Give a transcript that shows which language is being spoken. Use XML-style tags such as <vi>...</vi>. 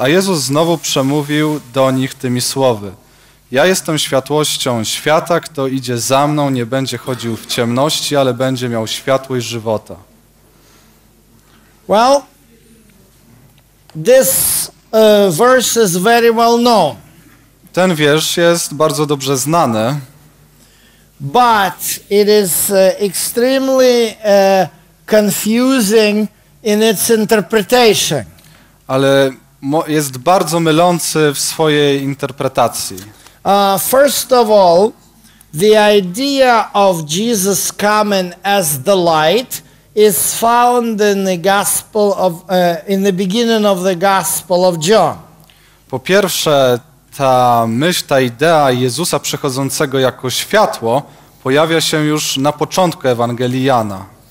<pl>A Jezus znowu przemówił do nich tymi słowy. Ja jestem światłością świata, kto idzie za mną, nie będzie chodził w ciemności, ale będzie miał światłość żywota.</pl> <en>Well, this verse is very well known.</en> <pl>Ten wiersz jest bardzo dobrze znany.</pl> <en>But it is extremely confusing in its interpretation.</en> <pl>Ale jest bardzo mylący w swojej interpretacji.</pl> <en>First of all, the idea of Jesus coming as the light is found in the Gospel of in the beginning of the Gospel of John.</en> <pl>Po pierwsze, ta myśl, ta idea Jezusa przechodzącego jako światło pojawia się już na początku Ewangelii Jana.</pl>